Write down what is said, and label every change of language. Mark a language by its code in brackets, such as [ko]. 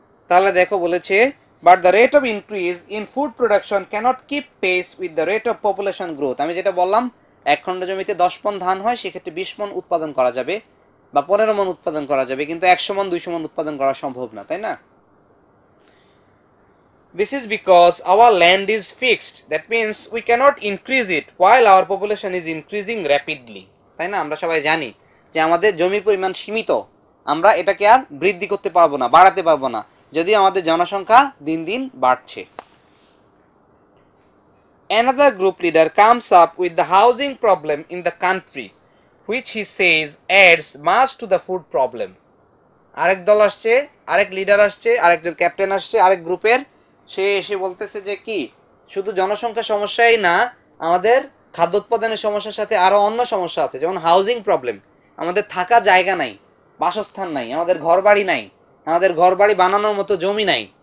[bn] তাহলে দেখো বলেছে, [en] But the rate of increase in food production cannot keep pace with the rate of population growth. [bn] আমি যেটা বললাম, এক খণ্ড জমিতে 10 মণ ধান হয়, সেক্ষেত্রে 20 মণ উৎপাদন করা যাবে বা 15 মণ উৎপাদন করা যাবে, কিন্তু 100 মণ 200 মণ উৎপাদন করা সম্ভব না, তাই না? [en] This is because our land is fixed. That means we cannot increase it while our population is increasing rapidly. [bn] তাই না? আমরা সবাই জানি যে আমাদের জমির পরিমাণ সীমিত, আমরা এটাকে আর বৃদ্ধি করতে পারবো না, বাড়াতে পারবো না, যদি আমাদের জনসংখ্যা দিন দিন বাড়ছে। [en] Another group leader comes up with the housing problem in the country, which he says adds much to the food problem. [bn] আরেক দল আসছে, আরেক লিডার আসছে, আরেকজন ক্যাপ্টেন আসছে আরেক গ্রুপের, সে এসে বলতেছে যে কি, শুধু জনসংখ্যা সমস্যাই না, আমাদের খাদ্য উৎপাদনের সমস্যার সাথে আরও অন্য সমস্যা আছে, যেমন হাউজিং প্রবলেম। আমাদের থাকা জায়গা নাই, বাসস্থান নাই, আমাদের ঘর বাড়ি নাই, আমাদের ঘর বাড়ি বানানোর মতো জমি নাই।